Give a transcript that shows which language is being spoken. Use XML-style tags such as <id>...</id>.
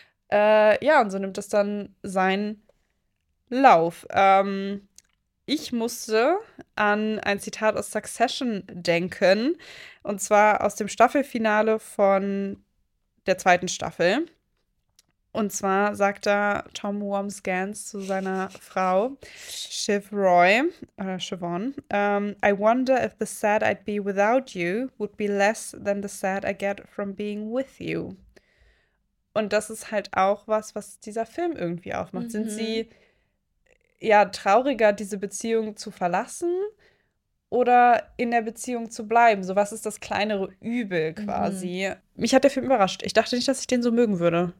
<de>Ja, und so nimmt das dann seinen Lauf. Ich musste an ein Zitat aus Succession denken. Und zwar aus dem Staffelfinale von der zweiten Staffel. Und zwar sagt da Tom Wormsgans zu seiner Frau, Shiv Roy, oder Siobhan,</de> <en>I wonder if the sad I'd be without you would be less than the sad I get from being with you.</en> <de>Und das ist halt auch was, was dieser Film irgendwie aufmacht. Mhm. Sind sie ja trauriger, diese Beziehung zu verlassen oder in der Beziehung zu bleiben? So, was ist das kleinere Übel quasi? Mhm. Mich hat der Film überrascht. Ich dachte nicht, dass ich den so mögen würde.</de>